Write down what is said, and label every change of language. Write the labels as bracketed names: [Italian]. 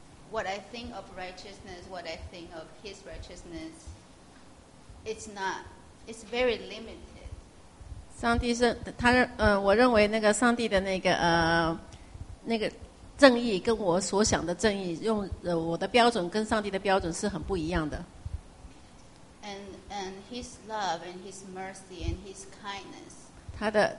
[English] What I think of righteousness, what I think of his righteousness, it's not, it's very limited. [Chinese] 上帝是他我认为那个上帝的那个正义跟我所想的正义，用我的标准跟上帝的标准是很不一样的。 [English] And his love and his mercy and his kindness.